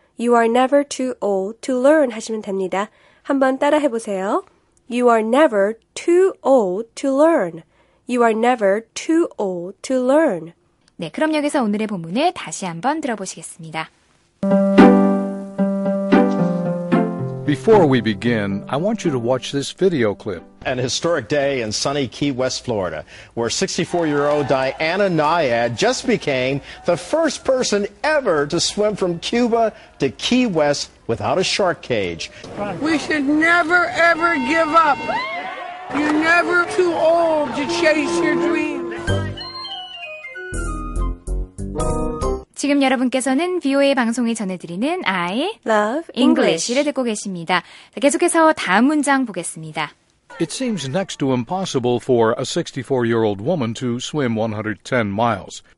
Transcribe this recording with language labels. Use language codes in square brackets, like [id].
[en] You are never too old to learn [ko] 하시면 됩니다. 한번 따라해보세요. [en] You are never too old to learn. You are never too old to learn. [ko] 네, 그럼 여기서 오늘의 본문을 다시 한번 들어보시겠습니다. [en] Before we begin, I want you to watch this video clip. An historic day in sunny Key West, Florida, where 64-year-old Diana Nyad just became the first person ever to swim from Cuba to Key West without a shark cage. We should never, ever give up. You're never too old to chase your dreams. [ko] 지금 여러분께서는 VOA 방송이 전해드리는 I Love English를 듣고 계십니다. 계속해서 다음 문장 보겠습니다. [en] It seems next to impossible for a 64-year-old woman to swim 110 miles.